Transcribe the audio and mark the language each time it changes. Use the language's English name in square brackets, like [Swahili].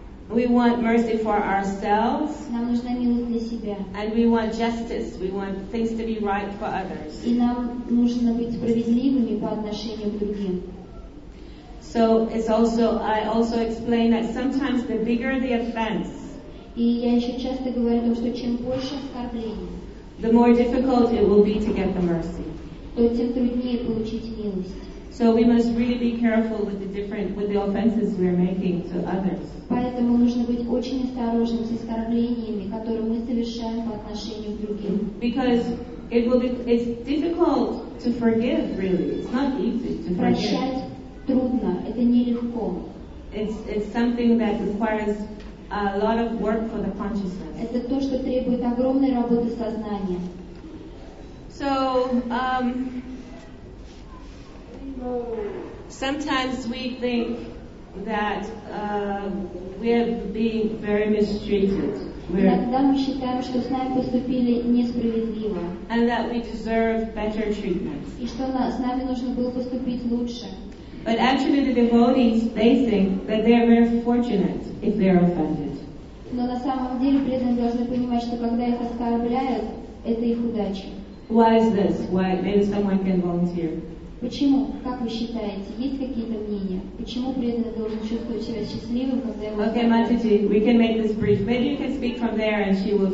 [English] We want mercy for ourselves. [Russian] Нам нужна милость для себя. [English] And we want justice. We want things to be right for others. [Russian] И нам нужно быть справедливыми по отношению к другим. [English] So it's also I also explain that sometimes the bigger the offense. [Russian] И я еще часто говорю о том, что чем больше оскорблений. [English] The more difficult it will be to get the mercy. [Russian] То тем труднее получить милость. [English] So we must really be careful with the offenses we are making to others. [Russian] Поэтому нужно быть очень осторожным с оскорблениями, которые мы совершаем по отношению к другим. [English] Because it will be it's difficult to forgive really. It's not easy to forgive. [Russian] Прощать трудно, это нелегко. [English] It's something that requires a lot of work for the consciousness. [Russian] Это то, что требует огромной работы сознания. [English] So, sometimes we think that we have been very mistreated. [Russian] Иногда мы считаем, что с нами поступили несправедливо. [English] And that we deserve better treatment. [Russian] И что с нами нужно было поступить лучше. [English] But actually the devotees, they think that they are very fortunate if they are offended. [Russian] Но на самом деле преданные должны понимать, что когда их оскорбляют, это их удача. [English] Why is this? Why? Maybe someone can volunteer. [Russian] Почему? Как вы считаете? Есть какие-то мнения? Почему преданный должен чувствовать себя счастливым, когда его? [English] Okay, Матиджи, we can make this brief. Maybe you can speak from there, and she will.